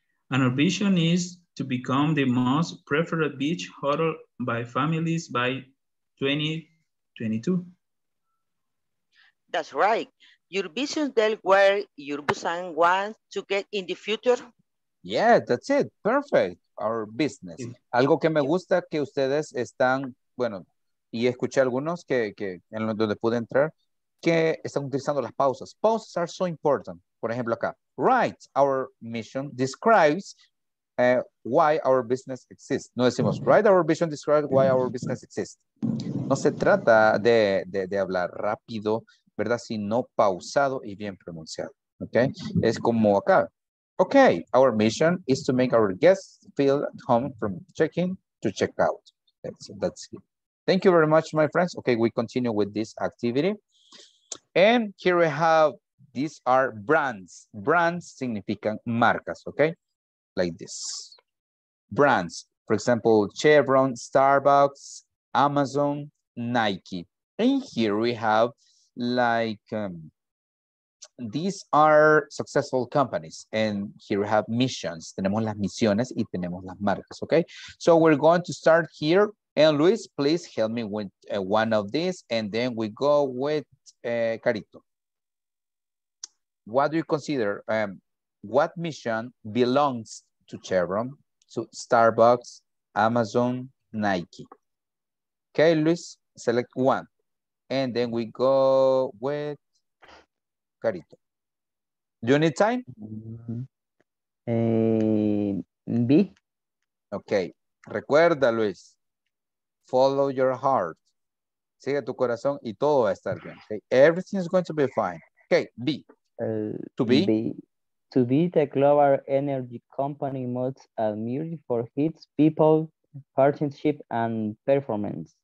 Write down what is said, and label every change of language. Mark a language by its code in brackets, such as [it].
[en] And our vision is to become the most preferred beach hotel by families by 2022. That's right. Your vision dealt where your Busan wants to get in the future. Yeah, that's it. Perfect. Our business. Yeah. [es] Algo que me gusta que ustedes están, bueno, y escuché algunos que en donde pude entrar, que están utilizando las pausas. [en] Pauses are so important. [es] Por ejemplo, acá. [en] Right, our mission describes why our business exists. [es] No decimos, right, [en] our vision describes why our business exists. [es] No se trata de hablar rápido, ¿verdad? Sino pausado y bien pronunciado. Okay, es como acá. [en] Okay, our mission is to make our guests feel at home from check-in to check-out. That's it. Thank you very much, my friends. Okay, we continue with this activity. And here we have, these are brands. Brands [es] significan marcas, [en] okay? Like this. Brands. For example, Chevron, Starbucks, Amazon, Nike. And here we have like, these are successful companies. And here we have missions. [es] Tenemos las misiones y tenemos las marcas, okay? [en] So we're going to start here. And Luis, please help me with one of these. And then we go with Carito. What do you consider? What mission belongs to Chevron, to Starbucks, Amazon, Nike? Okay, Luis, select one. And then we go with Carito. Do you need time? B. Okay. [es] Recuerda, [en] Luis. Follow your heart. [es] Sigue tu corazón y todo va a estar bien. [en] Okay? Everything is going to be fine. Okay, B. To be the global energy company most admired for its people, partnership, and performance.